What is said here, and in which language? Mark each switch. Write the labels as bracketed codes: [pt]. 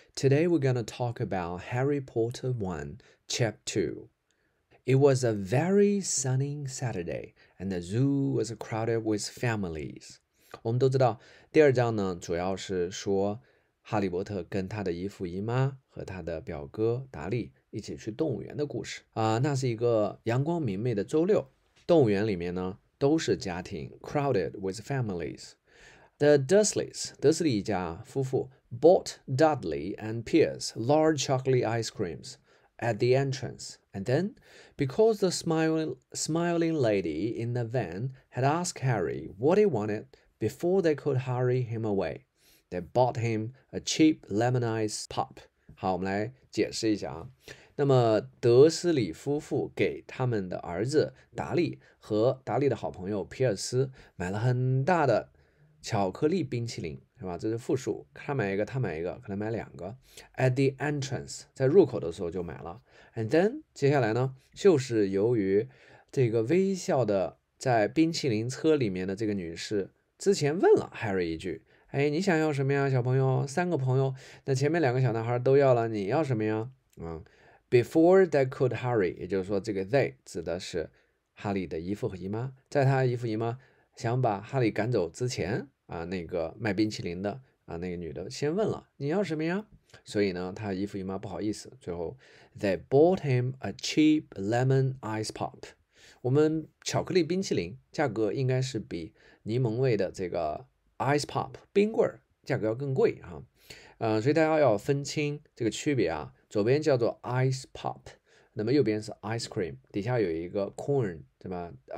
[en] Today we're gonna talk about Harry Potter 1, Chapter 2. It was a very sunny Saturday, and the zoo was crowded with families. [zh] 我们都知道，第二章呢，主要是说哈利波特跟他的姨父姨妈和他的表哥达利一起去动物园的故事。那是一个阳光明媚的周六，动物园里面呢，都是家庭 , [en] crowded with families. The Dursleys, [zh] 德斯利一家夫妇 [en] bought Dudley and Pierce large chocolate ice creams at the entrance. And then, because the smiling lady in the van had asked Harry what he wanted before they could hurry him away, they bought him a cheap lemon ice pop. [zh] 好，我们来解释一下啊。那么德斯里夫妇给他们的儿子达利和达利的好朋友皮尔斯买了很大的巧克力冰淇淋是吧？这是复数，他买一个，他买一个，可能买两个。 [en] At the entrance， [zh] 在入口的时候就买了。 [en] And then， [zh] 接下来呢，就是由于这个微笑的在冰淇淋车里面的这个女士之前问了 Harry 一句：“哎，你想要什么呀，小朋友？三个朋友，那前面两个小男孩都要了，你要什么呀？” [en] Before they could hurry， [zh] 也就是说这个 they 指的是哈利的姨父和姨妈，在他姨父姨妈。想把哈利赶走之前啊，那个卖冰淇淋的啊，那个女的先问了你要什么呀，所以呢他姨父姨妈不好意思，最后 [en] they bought him a cheap lemon ice pop， [zh] 我们巧克力冰淇淋价格应该是比柠檬味的这个 ice pop 冰棍价格要更贵啊，所以大家要分清这个区别啊，左边叫做 ice pop，那么右边是 ice cream， 底下有一个 corn， 对吧？